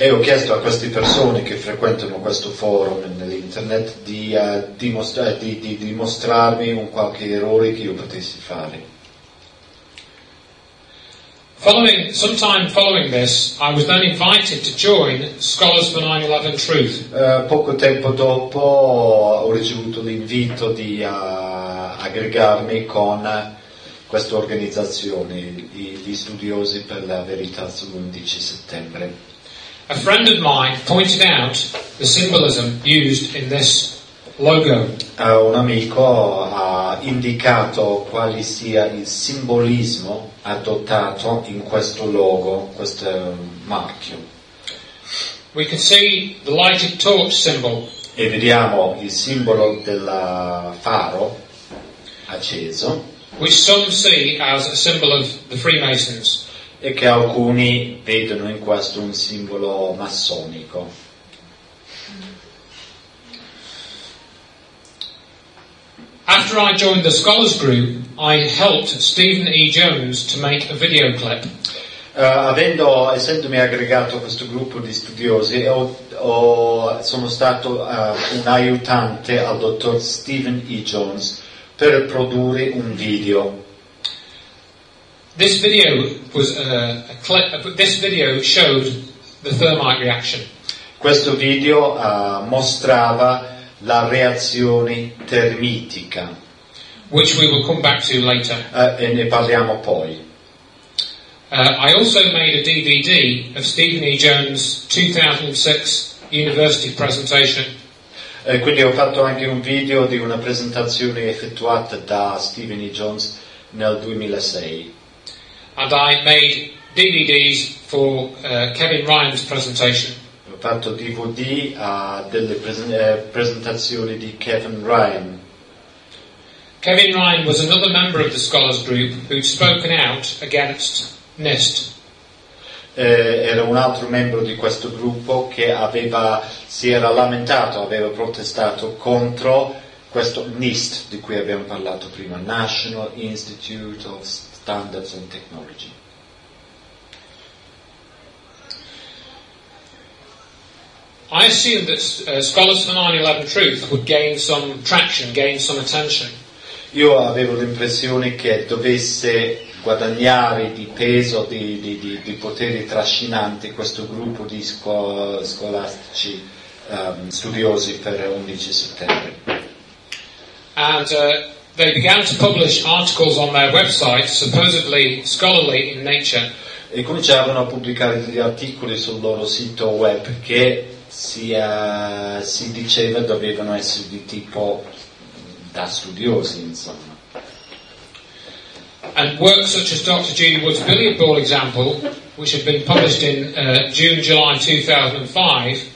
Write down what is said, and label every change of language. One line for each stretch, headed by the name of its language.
Italian: E ho chiesto a queste persone che frequentano questo forum nell'internet di dimostrarmi un qualche errore che io potessi fare.
English: Sometime following this, I was then invited to join Scholars for 9/11 Truth.
Italian: Poco tempo dopo ho ricevuto l'invito di aggregarmi con questa organizzazione, gli studiosi per la verità sull'11 settembre.
English: A friend of mine pointed out the symbolism used in this logo.
Italian: Un amico ha indicato quale sia il simbolismo adottato in questo logo, questo marchio.
English: We can see the lighted torch symbol.
Italian: E vediamo il simbolo del faro acceso,
English: which some see as a symbol of the Freemasons.
Italian: E che alcuni vedono in questo un simbolo massonico.
English: After I joined the scholars group, I helped Stephen E. Jones to make a video clip.
Italian: Essendomi aggregato a questo gruppo di studiosi, sono stato un aiutante al dottor Stephen E. Jones per produrre un video.
English: This video was a clip. This video showed the thermite reaction.
Italian: Questo video mostrava la reazione termitica,
English: which we will come back to later.
Italian: E ne parliamo poi.
English: I also made a DVD of Stephen E. Jones' 2006 university presentation.
Italian: Quindi ho fatto anche un video di una presentazione effettuata da Stephen E. Jones nel 2006.
English: And I made DVDs for Kevin Ryan's presentation.
Italian: Ho fatto DVD delle presentazioni di Kevin Ryan.
English: Kevin Ryan was another member of the scholars group who'd spoken out against NIST.
Italian: Era un altro membro di questo gruppo che aveva, si era lamentato, aveva protestato contro questo NIST di cui abbiamo parlato prima, National Institute of Standards and Technology.
English: I assumed that scholars for 9/11 truth would gain some traction, gain some attention.
Italian: Io avevo l'impressione che dovesse guadagnare di peso, di potere trascinante questo gruppo di scolastici studiosi per 11 settembre.
English: And they began to publish articles on their website, supposedly scholarly in nature.
Italian: E cominciavano a pubblicare degli articoli sul loro sito web che si diceva dovevano essere di tipo da studiosi, insomma.
English: And works such as Dr. Judy Wood's billiard ball example, which had been published in June-July 2005.